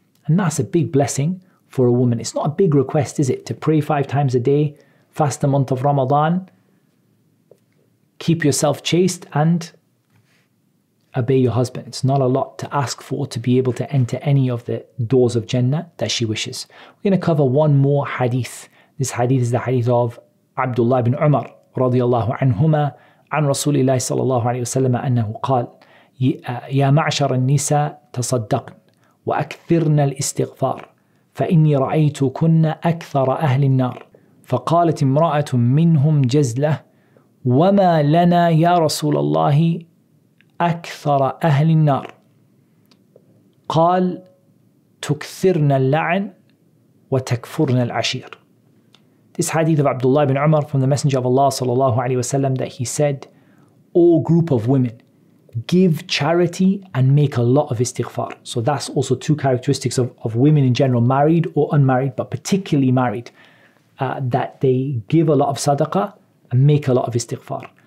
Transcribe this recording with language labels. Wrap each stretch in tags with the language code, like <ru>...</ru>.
<en>And that's a big blessing for a woman. It's not a big request, is it? To pray 5 times a day, fast the month of Ramadan, keep yourself chaste, and obey your husband. It's not a lot to ask for to be able to enter any of the doors of Jannah that she wishes. We're going to cover one more hadith. This hadith is the hadith of Abdullah ibn Umar radiallahu anhuma,</en> <ar>عن رسول الله صلى الله عليه وسلم أنه قال يا معشر النساء تصدقن وأكثرن الاستغفار فإني رأيت كن أكثر أهل النار فقالت امرأة منهم جزلة وما لنا يا رسول الله أكثر أهل النار قال تكثرن اللعن وتكفرن العشير.</ar> <en>This hadith of Abdullah ibn Umar from the Messenger of Allah sallallahu alayhi wasallam, that he said, O group of women, give charity and make a lot of istighfar. So that's also 2 characteristics of women in general, married or unmarried, but particularly married, that they give a lot of sadaqah and make a lot of istighfar.</en>